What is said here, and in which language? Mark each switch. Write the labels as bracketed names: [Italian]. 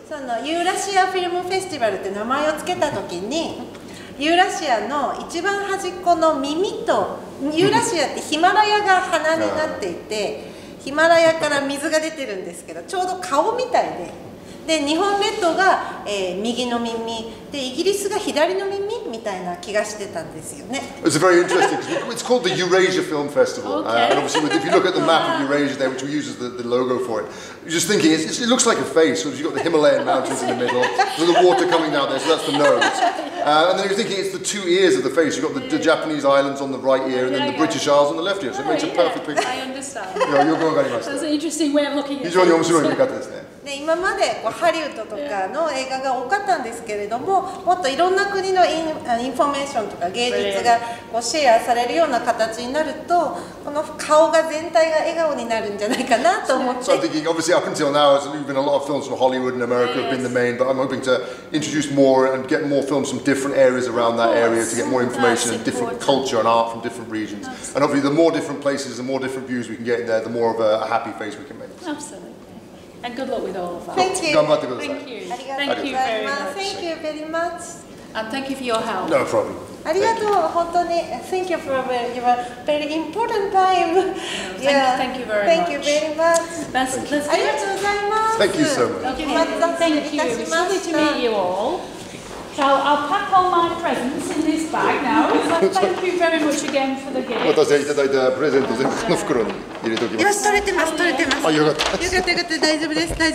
[Japanese] そのユーラシアフィルムフェスティバルって名前をつけたときに、ユーラシアの一番端っこの耳と、ユーラシアってヒマラヤが鼻になっていて、ヒマラヤから水が出てるんですけど、ちょうど顔みたいで、で日本列島が、右の耳で、イギリスが左の耳みたいな気がしてたんですよね。 [English] It's very interesting. It's called the Eurasia Film Festival. And obviously, if you look at the map of Eurasia there, which we use as the logo for it, you're just thinking it looks like a face. So you've got the Himalayan mountains in the middle, with the water coming out there, so that's the nose. And then you're thinking it's the two ears of the face. You've got the Japanese islands on the right ear, and then the British Isles on the left ear. So it makes a perfect picture. I understand. Yeah, you're going very much. That's an interesting way of looking at it. [Japanese] 非常に面白い見方ですね。で今までこうハリウッドとかの映画が多かったんですけれども、もっといろんな国のインフォメーションとか芸術がこうシェアされるような形になると、この顔が全体が笑顔になるんじゃないかなと思って。 [English] So I'm thinking obviously up until now there's been a lot of films from Hollywood and America have been the main, but I'm hoping to introduce more and get more films from different areas around that area to get more information and different culture and art from different regions. And obviously the more different places, the more different views we can get in there, the more of a happy face we can make. Absolutely. And good luck with all of that. Thank you. [Japanese] 頑張ってください。 [English] Thank you. Thank you very much. Thank you very much. And thank you for your help. No problem. [Japanese] ありがとう。本当に。 [English] Thank you for your very important time. Yeah. Thank you very much. Thank you very much. Let's [Japanese] ありがとうございます。 [English] Thank you so much. Okay. Thank you. It's lovely to meet you all. So I'll pack all my presents in this bag now. Thank you very much again for the gift. [Japanese] 私がいただいたプレゼント全部この袋に。入れておきます。よし、取れてます。あ、よかった。よかった、大丈夫です。大丈夫。